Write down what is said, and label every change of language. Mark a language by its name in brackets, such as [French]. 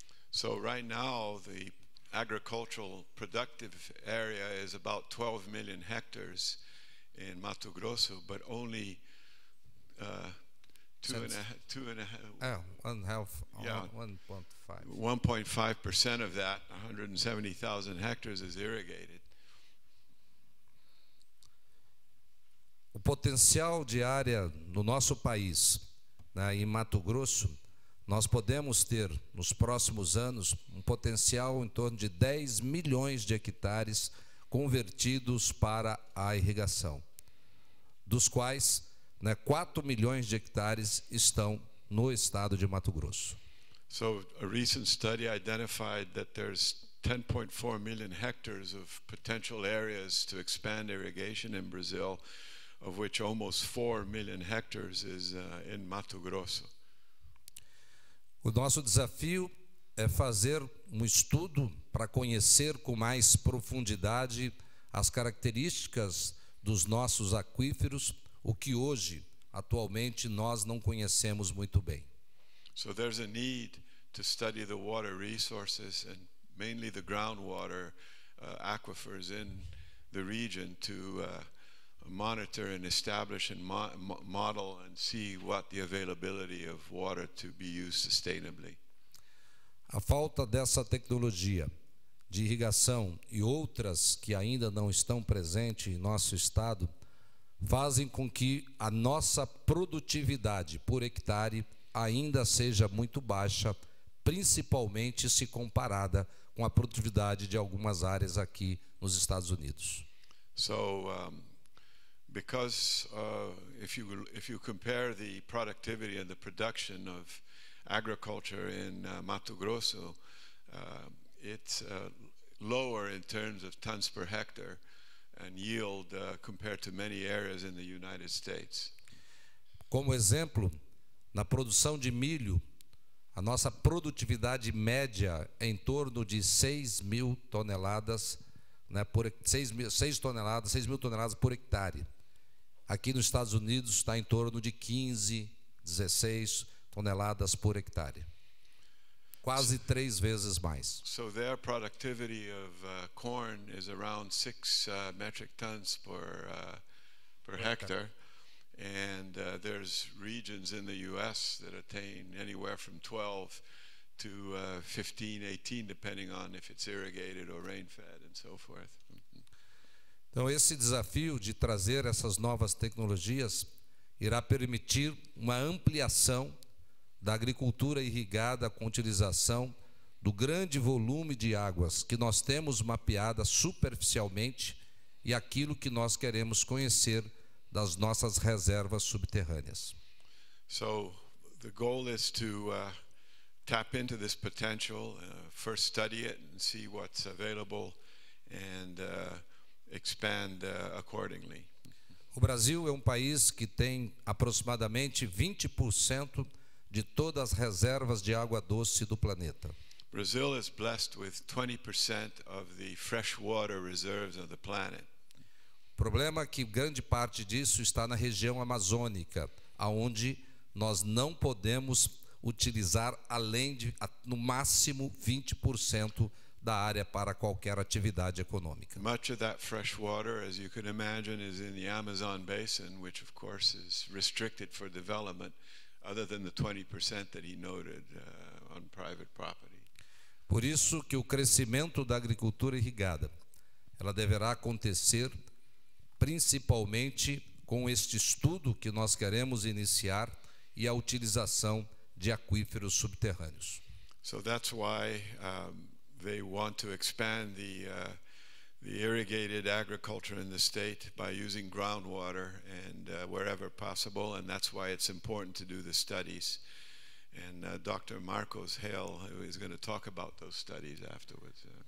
[English] So right now the agricultural productive area is about 12 million hectares in Mato Grosso, but only 1.5% of that, 170,000 hectares, is irrigated. [Portuguese] O potencial de área no nosso país, né, em Mato Grosso, nós podemos ter nos próximos anos um potencial em torno de 10 milhões de hectares convertidos para a irrigação, dos quais, né, 4 milhões de hectares estão no estado de Mato Grosso. [English] So, a recent study identified that there's 10.4 million hectares of potential areas to expand irrigation in Brazil, of which almost 4 million hectares is in Mato Grosso. [Portuguese] O nosso desafio é fazer um estudo para conhecer com mais profundidade as características dos nossos aquíferos, o que hoje, atualmente, nós não conhecemos muito bem. [English] So there's a need to study the water resources and mainly the groundwater aquifers in the region to monitor and establish and model and see what the availability of water to be used sustainably. [Portuguese] A falta dessa tecnologia de irrigação e outras que ainda não estão presentes em nosso estado fazem com que a nossa produtividade por hectare ainda seja muito baixa, principalmente se comparada com a produtividade de algumas áreas aqui nos Estados Unidos. [English] So, because if you compare the productivity and the production of agriculture in Mato Grosso, it's lower in terms of tons per hectare and yield compared to many areas in the United States. [Portuguese] Como exemplo, na produção de milho, a nossa produtividade média é em torno de 6 mil toneladas por hectare. Aqui nos Estados Unidos está em torno de 15, 16 toneladas por hectare. Quase três vezes mais. [English] So their productivity of corn is around 6 metric tons per hectare. And there's regions in the U.S. that attain anywhere from 12 to 15, 18, depending on if it's irrigated or rain-fed and so forth. [Portuguese] Então, esse desafio de trazer essas novas tecnologias irá permitir uma ampliação da agricultura irrigada com utilização do grande volume de águas que nós temos mapeada superficialmente e aquilo que nós queremos conhecer das nossas reservas subterrâneas. [English] So, the goal is to tap into this potential, first study it and see what's available and expand accordingly. [Portuguese] O Brasil é um país que tem aproximadamente 20% de todas as reservas de água doce do planeta. [English] Brazil is blessed with 20% of the freshwater reserves of the planet. [Portuguese] O problema é que grande parte disso está na região amazônica, onde nós não podemos utilizar além de, no máximo, 20% da área para qualquer atividade econômica. [English] Much of that fresh water, as you can imagine, is in the Amazon basin, which of course is restricted for development, other than the 20% that he noted on private property. [Portuguese] Por isso que o crescimento da agricultura irrigada, ela deverá acontecer principalmente com este estudo que nós queremos iniciar e a utilização de aquíferos subterrâneos. [English] So that's why they want to expand the irrigated agriculture in the state by using groundwater and wherever possible, and that's why it's important to do the studies. And Dr. Marcos Heil is going to talk about those studies afterwards.